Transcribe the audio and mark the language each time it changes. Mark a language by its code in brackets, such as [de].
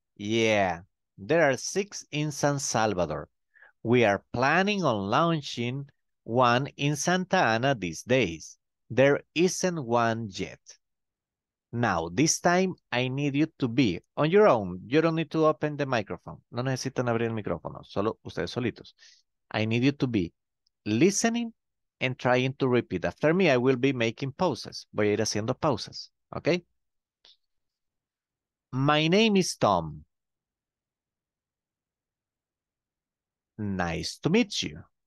[en] Yeah, there are 6 in San Salvador. We are planning on launching one in Santa Ana these days. There isn't one yet. Now, this time, I need you to be on your own. You don't need to open the microphone. [es] No necesitan abrir el micrófono, solo ustedes solitos. [en] I need you to be listening and trying to repeat. After me, I will be making pauses. [es] Voy a ir haciendo pausas, [en] okay? My name is Tom. Nice to meet you.